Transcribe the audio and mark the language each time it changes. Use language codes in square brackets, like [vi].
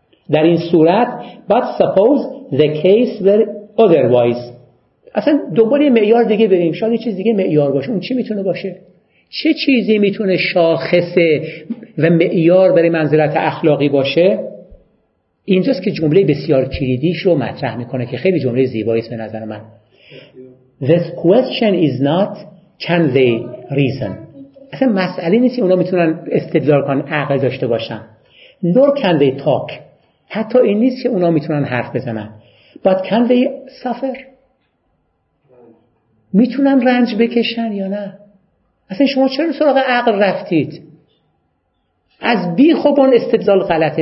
[fa] در این صورت [en] but suppose the case were otherwise، [fa] اصلا دوباره معیار دیگه بریم، شاید چیز دیگه معیار باشه. اون چی میتونه باشه؟ چه چیزی میتونه شاخصه و معیار برای منزلت اخلاقی باشه؟ اینجاست که جمله بسیار کلیدیش رو مطرح میکنه که خیلی جمله زیباییست به نظر من. [en] This question is not can they reason. [fa] اصلا مسئله نیست که اونا میتونن استدلال کنن، عقل داشته باشن. [en] Nor can they talk. [fa] حتی این نیست که اونا میتونن حرف بزنن. [en] But can they suffer؟ [fa] میتونن رنج بکشن یا نه؟ اصلا شما چرا سراغ عقل رفتید؟ از بی خوبون استدلال غلطه.